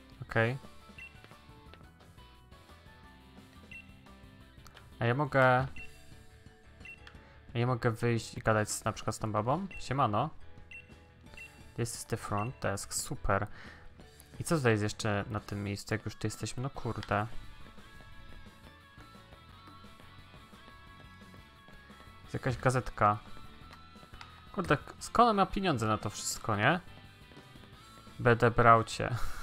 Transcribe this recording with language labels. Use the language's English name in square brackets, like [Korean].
[Polish] Okej. Okay. A ja mogę... Ja mogę wyjść i gadać na przykład z tą babą? Siemano. [English] This is the front desk, super. [Polish] I co tutaj jest jeszcze na tym miejscu, jak już tu jesteśmy? No kurde. Jest jakaś gazetka. Kurde, skąd ma pieniądze na to wszystko, nie? Będę brał cię.